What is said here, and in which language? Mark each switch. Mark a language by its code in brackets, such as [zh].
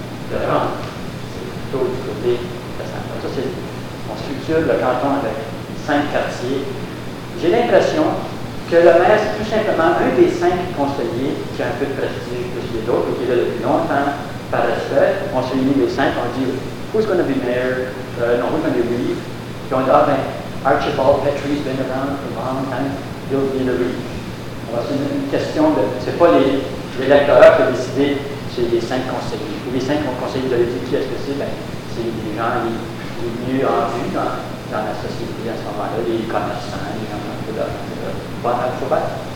[fr] C'est plutôt du côté de la santé. On structure le canton avec 5 quartiers. J'ai l'impression que le maire, c'est tout simplement un des 5 conseillers qui a un peu de prestige plus que les autres, qui est là depuis longtemps par respect. On s'est mis les 5, on dit [en] who's going to be mayor? Non, who's going to be relief? [fr] Puis on dit ah ben, [en] Archibald Petrie's been around for a long time, he'll be the relief. [fr] Alors c'est une question de. C'est pas les électeurs qui ont décidé. C'est les 5 conseillers. Les 5 conseillers, vous avez dit qui est-ce que c'est? Ben, c'est les gens les mieux en vue dans dans la société à ce moment-là, les commerçants, les gens qui ont pas d'alphabète.